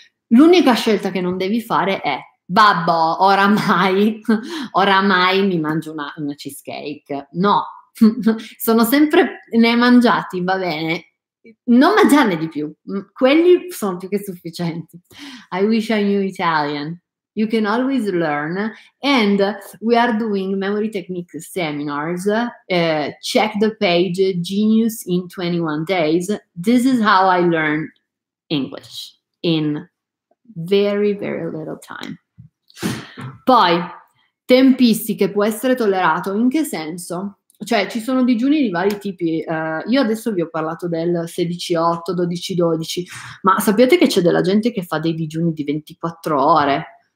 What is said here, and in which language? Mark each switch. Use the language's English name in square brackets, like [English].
[Italian] L'unica scelta che non devi fare è, babbo, oramai mi mangio una cheesecake. No, sono sempre, ne hai mangiati, va bene. Non mangiarne di più, quelli sono più che sufficienti. [English] I wish I knew Italian. You can always learn, and we are doing memory technique seminars. Check the page Genius in 21 Days. This is how I learned English in very, very little time. [Italian] Poi, tempistiche può essere tollerato, in che senso? Cioè, ci sono digiuni di vari tipi. Io adesso vi ho parlato del 16-8, 12-12, ma sapete che c'è della gente che fa dei digiuni di 24 ore?